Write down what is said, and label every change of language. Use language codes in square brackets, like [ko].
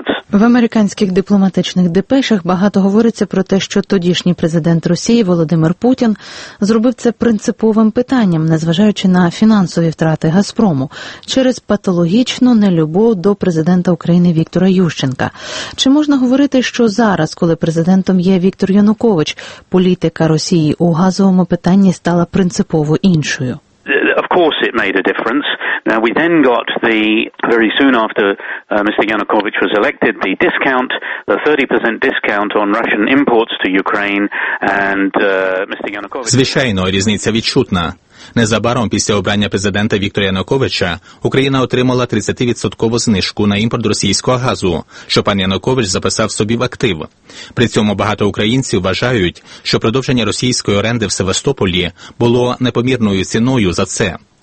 [uk] В американських дипломатичних депешах багато говориться про те, що тодішній президент Росії Володимир Путін зробив це принциповим питанням, незважаючи на фінансові втрати «Газпрому», через патологічну нелюбов до президента України Віктора Ющенка. Чи можна говорити, що зараз, коли президентом є Віктор Янукович, політика Росії у газовому питанні стала принципово іншою? [en] Of course it made a difference. Now we then got the very soon after Mr. Yanukovych was elected the discount, the 30% discount on Russian imports to Ukraine and Mr. Yanukovych. [uk] Звичайно, різниця відчутна. Незабаром після обрання президента Віктора Януковича Україна отримала 30% знижку на імпорт російського газу, що пан Янукович записав собі в актив. При цьому багато українців вважають, що продовження російської оренди в Севастополі було непомірною ціною за це.